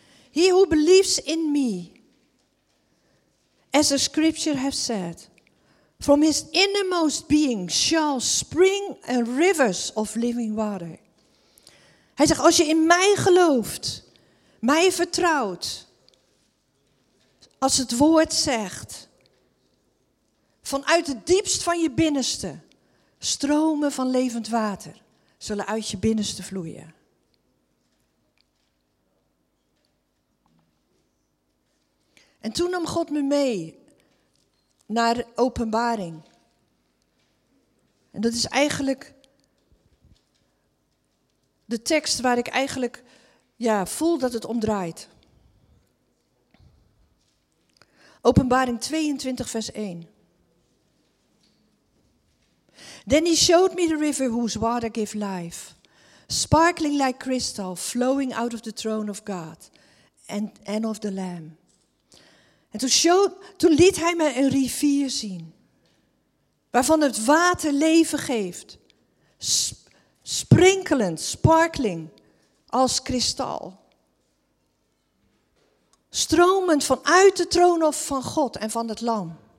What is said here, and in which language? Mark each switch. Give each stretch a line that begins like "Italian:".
English: He who believes in me, as the scripture has said, from his innermost being shall spring rivers of living water.
Dutch: Hij zegt, als je in mij gelooft, mij vertrouwt, als het woord zegt, vanuit het diepst van je binnenste, stromen van levend water zullen uit je binnenste vloeien. En toen nam God me mee naar Openbaring. En dat is eigenlijk de tekst waar ik eigenlijk voel dat het om draait. Openbaring 22, vers 1.
English: Then he showed me the river whose water gave life, sparkling like crystal, flowing out of the throne of God and of the Lamb.
Dutch: En toen liet hij mij een rivier zien, waarvan het water leven geeft, sprinkelend, sparkling, als kristal. Stromend vanuit de troon van God en van het Lam.